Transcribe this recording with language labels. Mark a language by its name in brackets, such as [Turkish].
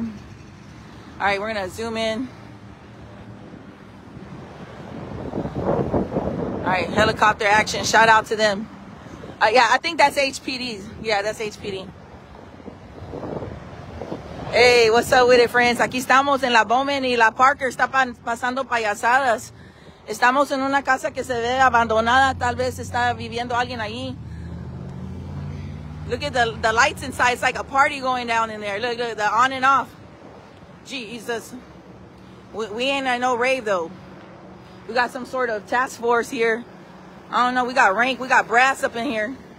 [English] All right, we're gonna zoom in. All right, helicopter action. Shout out to them. Yeah, I think that's HPD. Yeah, that's HPD. Hey, what's up with it, friends? [Spanish] Aquí estamos en la Bauman y la Parker. Está pasando payasadas. Estamos en una casa que se ve abandonada. Tal vez está viviendo alguien ahí. [English] Look at the lights inside. It's like a party going down in there. Look, the on and off. Jesus. We ain't at no rave, though. We got some sort of task force here. I don't know. We got rank. We got brass up in here.